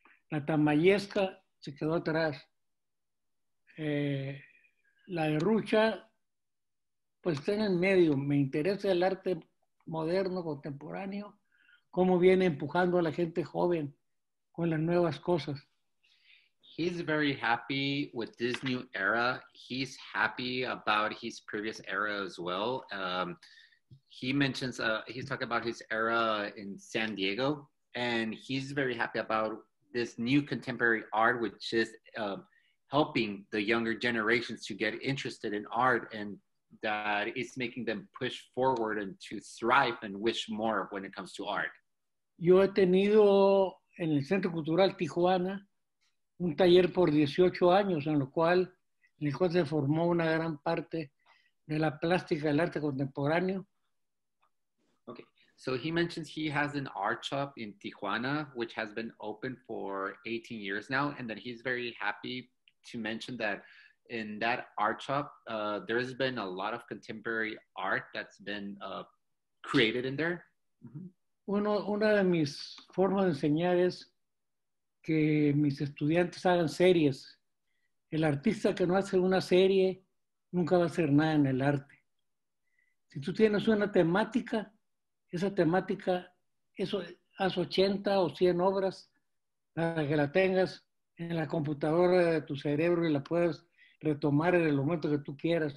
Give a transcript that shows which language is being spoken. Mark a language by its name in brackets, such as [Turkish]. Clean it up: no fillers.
[Spanish] La tamayesca se quedó atrás. La de Rucha, pues está en el medio. Me interesa el arte moderno, contemporáneo, cómo viene empujando a la gente joven con las nuevas cosas. [English] He's very happy with this new era. He's happy about his previous era as well. He mentions, he's talking about his era in San Diego, and he's very happy about this new contemporary art, which is helping the younger generations to get interested in art, and that is making them push forward and to thrive and wish more when it comes to art. [Spanish] Yo he tenido en el Centro Cultural Tijuana un taller por 18 años, en el cual se formó una gran parte de la plástica del arte contemporáneo. [English] Okay, so he mentions he has an art shop in Tijuana, which has been open for 18 years now, and that he's very happy to mention that in that art shop, there's been a lot of contemporary art that's been created in there. Mm-hmm. [Spanish] Una de mis formas de enseñar es que mis estudiantes hagan series. El artista que no hace una serie nunca va a hacer nada en el arte. Si tú tienes una temática, esa temática, eso, haz 80 o 100 obras para que la tengas en la computadora de tu cerebro y la puedas retomar en el momento que tú quieras.